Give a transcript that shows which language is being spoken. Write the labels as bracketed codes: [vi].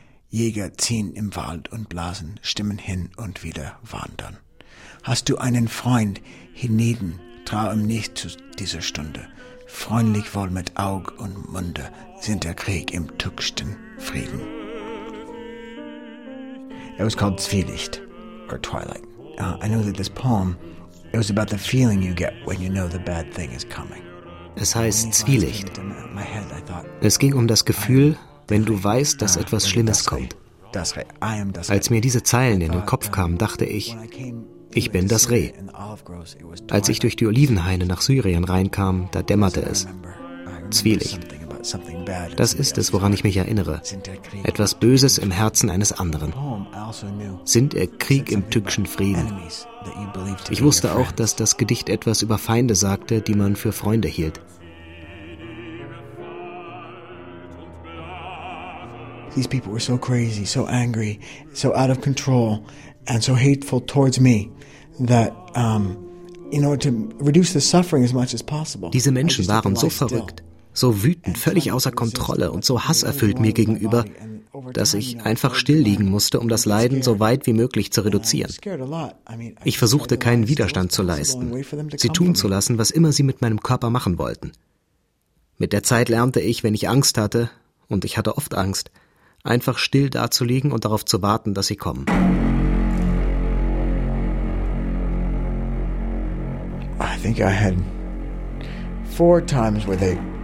[de] Jäger ziehen im Wald und blasen, Stimmen hin und wieder wandern. Hast du einen Freund hienieden, trau ihm nicht zu dieser Stunde. Freundlich wohl mit Aug und Munde sind der Krieg im tückschten Frieden. [en] It was called Zwielicht, or Twilight. I know that this poem, it was about the feeling you get when you know the bad thing is coming. [de] Es heißt Zwielicht. Es ging um das Gefühl, wenn du weißt, dass etwas Schlimmes kommt. Als mir diese Zeilen in den Kopf kamen, dachte ich, ich bin das Reh. Als ich durch die Olivenhaine nach Syrien reinkam, da dämmerte es. Zwielicht. Das ist es, woran ich mich erinnere. Etwas Böses im Herzen eines anderen. Sind er Krieg im tückschen Frieden? Ich wusste auch, dass das Gedicht etwas über Feinde sagte, die man für Freunde hielt. [en] These people were so crazy, so angry, so out of control and so hateful towards me that in order to reduce the suffering as much as possible. [de] Diese Menschen waren so verrückt, so wütend, völlig außer Kontrolle und so hasserfüllt mir gegenüber, dass ich einfach stillliegen musste, um das Leiden so weit wie möglich zu reduzieren. Ich versuchte, keinen Widerstand zu leisten, sie tun zu lassen, was immer sie mit meinem Körper machen wollten. Mit der Zeit lernte ich, wenn ich Angst hatte, und ich hatte oft Angst, einfach still dazuliegen und darauf zu warten, dass sie kommen. [en] I think I had 4 times where they...